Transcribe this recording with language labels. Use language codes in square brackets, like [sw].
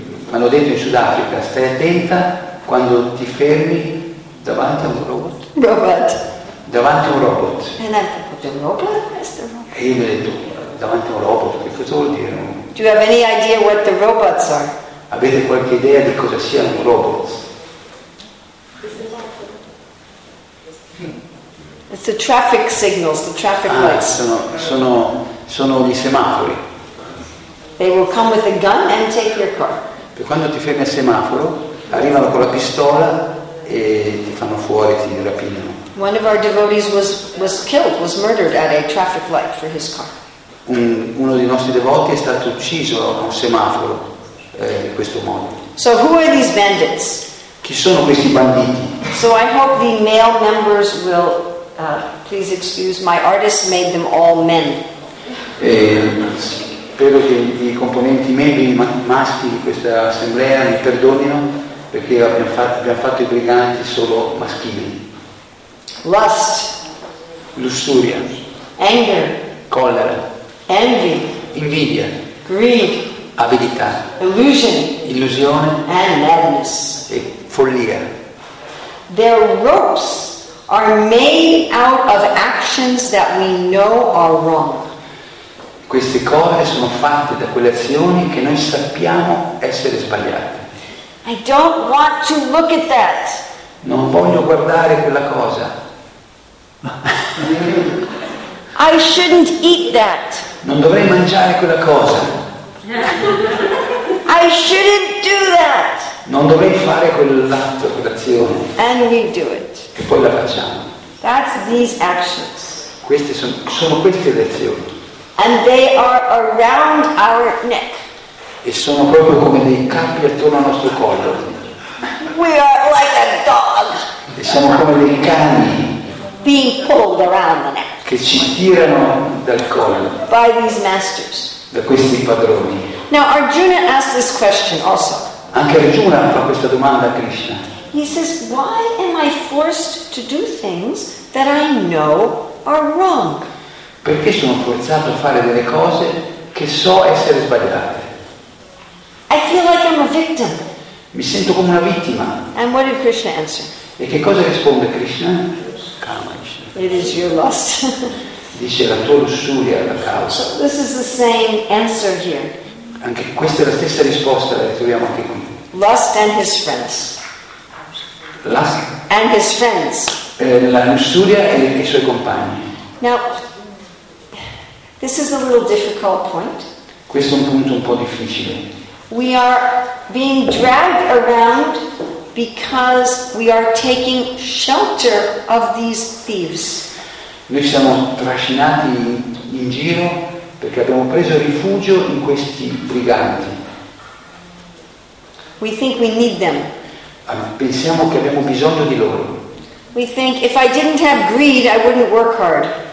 [it] Hanno detto in Sudafrica, stai attenta quando ti fermi davanti a un robot. Robot. Davanti a un robot. [en] And I thought, the robot? [it] E io mi ho detto, davanti a un robot, che cosa vuol dire? [en] Do you have any idea what the robots are? [it] Avete qualche idea di cosa siano i robot? [en] It's the traffic signals, the traffic lights. [it] Sono gli semafori. [en] They will come with a gun and take your car. [it] Per quando ti fermi al semaforo, arrivano con la pistola e ti fanno fuori, ti rapinano. [en] One of our devotees was killed, was murdered at a traffic light for his car. [it] Uno dei nostri devoti è stato ucciso a un semaforo in questo modo. [en] So who are these bandits? [it] Chi sono questi banditi? [en] So I hope the male members will. Please excuse my artist made them all men. [it] Spero che i componenti membri maschi di questa assemblea mi perdonino perché abbiamo fatto i briganti solo maschili. [en] Lust. [it] Lussuria. [en] Anger. [it] Collera. [en] Envy. [it] Invidia. [en] Greed. [it] Avidità. [en] Illusion. [it] Illusione. [en] And madness. [it] E follia. [en] Their ropes are made out of actions that we know are wrong. [it] Queste cose sono fatte da quelle azioni che noi sappiamo essere sbagliate. [en] I don't want to look at that. [it] Non voglio guardare quella cosa. [en] I shouldn't eat that. [it] Non dovrei mangiare quella cosa. [en] I shouldn't do that. [it] Non dovrei fare quell'atto, quell'azione. [en] And we do it. [it] E poi la facciamo. [en] That's these actions. [it] Queste sono queste le azioni. [en] And they are around our neck. [it] E sono proprio come dei capi attorno al nostro collo. [en] We are like a dog. [it] E siamo come dei cani. [en] Being pulled around the neck. [it] Che ci tirano dal collo. [en] By these masters. [it] Da questi padroni. [en] Now Arjuna asked this question also. [it] Anche Arjuna fa questa domanda a Krishna. [en] He says, why am I forced to do things that I know are wrong? [it] Perché sono forzato a fare delle cose che so essere sbagliate? [en] I feel like I'm a victim. [it] Mi sento come una vittima. [en] And what did Krishna answer? [it] E che cosa risponde Krishna? Calma, Krishna. [en] It is your lust. [it] Dice la tua lussuria la causa. [en] So this is the same answer here. [it] Anche questa è la stessa risposta la ritroviamo anche qui. [en] Lust and his friends. Lust. And his friends. [it] La lussuria e i suoi compagni. [en] Now, this is a little difficult point. [it] Questo è un punto un po' difficile. [en] We are being dragged around because we are taking shelter of these thieves. [it] Noi siamo trascinati in giro perché abbiamo preso rifugio in questi briganti. [en] We think we need them. [it] Pensiamo che abbiamo bisogno di loro. [en] We think if I didn't have greed, I wouldn't work hard.